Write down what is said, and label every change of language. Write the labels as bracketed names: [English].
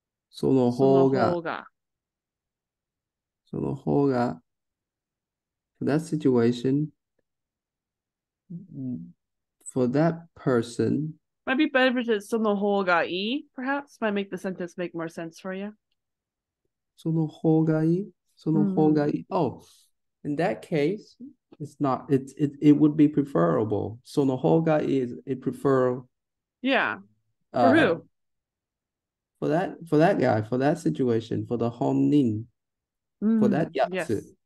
[Japanese] Sono hoga. その方が、 [English] for that situation, for that person, Might be better if it's [Japanese] sono hoga ii, [English] perhaps. Might make the sentence make more sense for you. [Japanese] その方がいい、その方がいい。 [English] Oh, in that case, it's not, it would be preferable. [Japanese] その方がいい [English] is a prefer, Yeah, for who? for that guy, for that situation, for the honnin, for that yatsu. Yes.